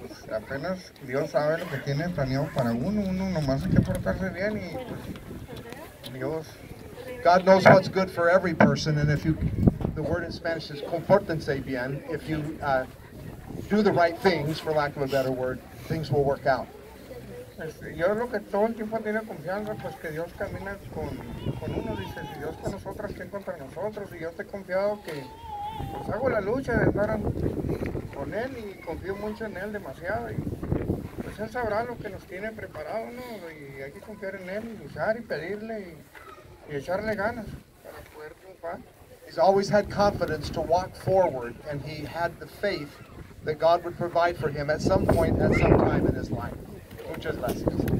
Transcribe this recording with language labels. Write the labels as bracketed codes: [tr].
[es] Apenas Dios sabe lo que tiene planeado para uno. Uno nomás hay que portarse bien y Dios. [en] God knows what's good for every person, and if you, the word in Spanish is [es] comportense bien. [en] If you do the right things, for lack of a better word, things will work out. [es] Yo lo que todo el tiempo tiene confianza, pues que Dios camina con uno. Dice, si Dios con nosotros, ¿quién contra nosotros? Y yo estoy confiado que pues hago la lucha de estar con él y confío mucho en él demasiado. Y pues él sabrá lo que nos tiene preparado, ¿no? Y hay que confiar en él y luchar y pedirle y echarle ganas para poder triunfar. [en] He's always had confidence to walk forward, and he had the faith that God would provide for him at some point, at some time in his life. [es] Muchas gracias.